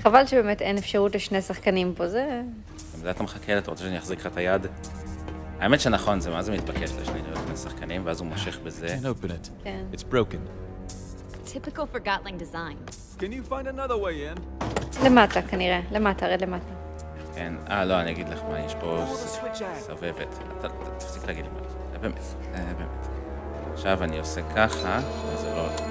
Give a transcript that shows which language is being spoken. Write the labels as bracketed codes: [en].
[he] חבל שבאמת אין אפשרות לשני שחקנים פה, זה... אתה יודע, אתה מחכה, אתה רוצה שאני אחזיק לך את היד? האמת שנכון, זה מה זה מתבקש לשני שחקנים, ואז הוא מושך בזה. [en] I can't open it. [he] כן. [en] It's broken. Typical for Gatling design. Can you find another way in? [he] למטה, כנראה. למטה, הרי למטה. כן, לא, אני אגיד לך מה, יש פה סבבת. אתה תפסיק להגיד לי מה, זה באמת, זה באמת. עכשיו אני עושה ככה, וזה לא...